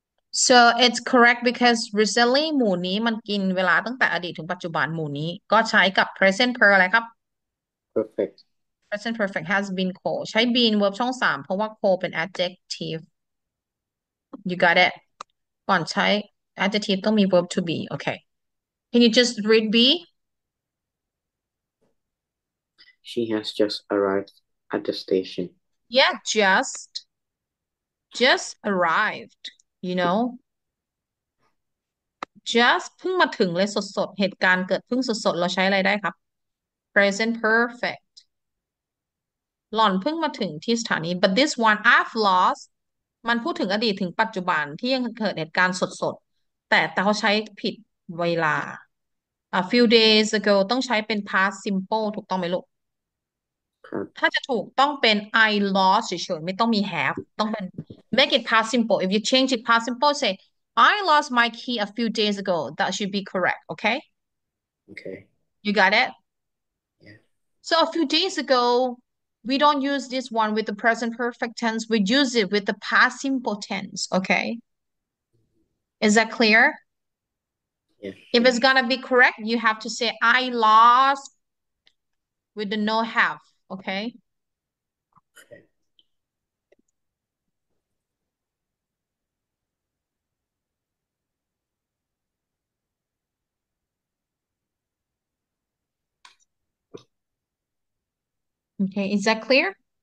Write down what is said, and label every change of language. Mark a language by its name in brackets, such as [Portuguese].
[English] So it's correct because recently [Thai] หมู่นี้มันกินเวลาตั้งแต่อดีตถึงปัจจุบันหมู่นี้ก็ใช้กับ present perfect อะไรครับ [English] Perfect. present perfect has been cold ใช้ been verb ช่องสามเพราะว่า cold เป็น adjective you got it [Thai] ก่อนใช้ adjective ต้องมี [English] verb to be okay can you just read B She has just arrived at the station. yeah just arrived You know, [Thai] just เพิ่งมาถึงเลยสดๆเหตุการณ์เกิดเพิ่งสดๆเราใช้อะไรได้ครับ present perfect หล่อนเพิ่งมาถึงที่สถานี [English] but this one I've lost [Thai] มันพูดถึงอดีตถึงปัจจุบันที่ยังเกิดเหตุการณ์สดๆแต่เขาใช้ผิดเวลา a few days ago ต้องใช้เป็น past simple ถูกต้องไหมลูก ถ้าจะถูกต้องเป็น I lost เฉยๆไม่ต้องมี have ต้องเป็น [English] make it past simple if you change it past simple say I lost my key a few days ago that should be correct okay Okay. you got it so a few days ago we don't use this one with the present perfect tense we use it with the past simple tense okay is that clear if it's gonna be correct you have to say I lost with the no have okay Okay, is that clear?